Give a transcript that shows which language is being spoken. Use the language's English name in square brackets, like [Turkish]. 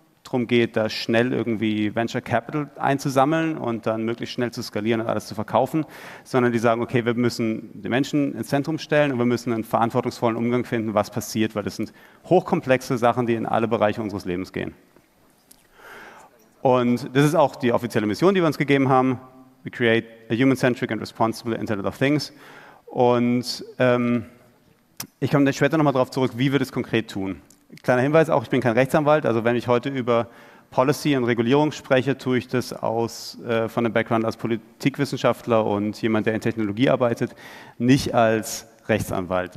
[German] darum geht, da schnell irgendwie Venture Capital einzusammeln und dann möglichst schnell zu skalieren und alles zu verkaufen, sondern die sagen, okay, wir müssen die Menschen ins Zentrum stellen und wir müssen einen verantwortungsvollen Umgang finden, was passiert, weil das sind hochkomplexe Sachen, die in alle Bereiche unseres Lebens gehen. Und das ist auch die offizielle Mission, die wir uns gegeben haben. [English] We create a human-centric and responsible Internet of Things. [German] Und ich komme dann später nochmal darauf zurück, wie wir das konkret tun. Kleiner Hinweis auch, ich bin kein Rechtsanwalt, also wenn ich heute über Policy und Regulierung spreche, tue ich das von dem Background als Politikwissenschaftler und jemand, der in Technologie arbeitet, nicht als Rechtsanwalt.